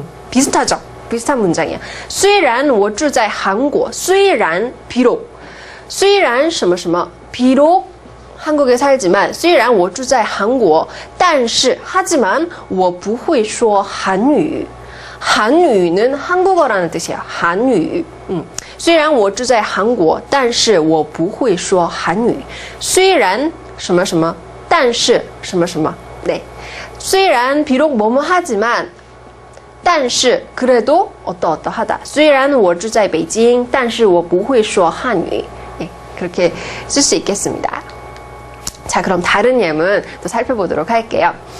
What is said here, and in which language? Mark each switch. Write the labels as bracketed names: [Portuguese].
[Korean] 비슷하죠? 비슷한 문장이야. [Chinese] 虽然我住在韩国,虽然, [Korean] 비록, [Chinese] 虽然什么什么, [Korean] 비록 한국에 살지만, [Chinese] 虽然我住在韩国,但是, [Korean] 하지만, [Chinese] 我不会说韩语. [Korean] 韩语는 한국어라는 뜻이야. [Chinese] 韩语. 虽然我住在韩国,但是,我不会说韩语. 虽然什么什么,但是,什么什么. [Korean] 네, 虽然 비록 뭐뭐 하지만, 但是 그래도 어떠어떠하다. [Chinese] 虽然我住在北京，但是我不会说汉语. [Korean] 네, 그렇게 쓸 수 있겠습니다. 자, 그럼 다른 예문 또 살펴보도록 할게요.